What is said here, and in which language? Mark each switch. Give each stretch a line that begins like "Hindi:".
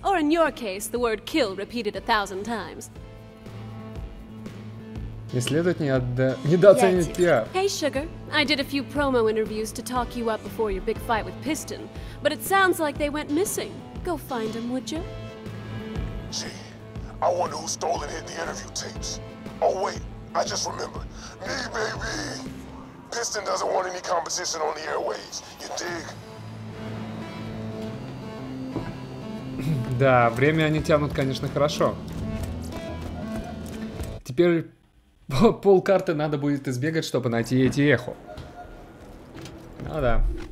English: Or in your case, the word kill repeated a thousand times.
Russian: Не следует недооценивать пиар.
English: Hey, Sugar. I did a few promo interviews to talk you up before your big fight with Piston, but it sounds like they went missing. Go find them, would you? Gee, I wonder who stole and hid the interview tapes. Oh wait, I just remembered. Me, baby! Piston doesn't want any competition on the airwaves, you dig?
Russian: Да, время они тянут, конечно, хорошо. Теперь... Пол карты надо будет избегать, чтобы найти эти эхо. Ну да.